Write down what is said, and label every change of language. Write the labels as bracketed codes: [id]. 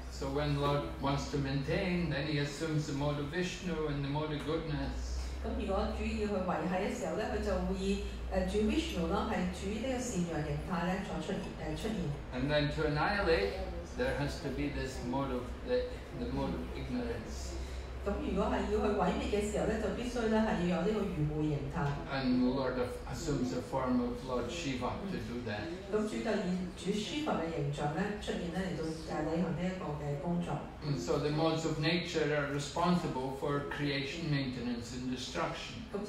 [en] So when Lord wants to maintain, then he assumes the mode of Vishnu and the mode of goodness. [yue] 咁如果主要去維繫嘅時候咧，佢就會以主 Vishnu 啦，係主呢個善良形態咧，再出現。 [en] And then to annihilate, there has to be this mode of the mode of ignorance. [yue] 咁如果係要去毀滅嘅時候咧，就必須咧係要有呢個愚昧形態。 [en] And Lord assumes a form of Lord Shiva to do that. [yue] 咁主就以主 Shiva 嘅形象咧出現咧嚟到誒履行呢一個嘅工作。 [en] And so the modes of nature are responsible for creation, maintenance, and destruction.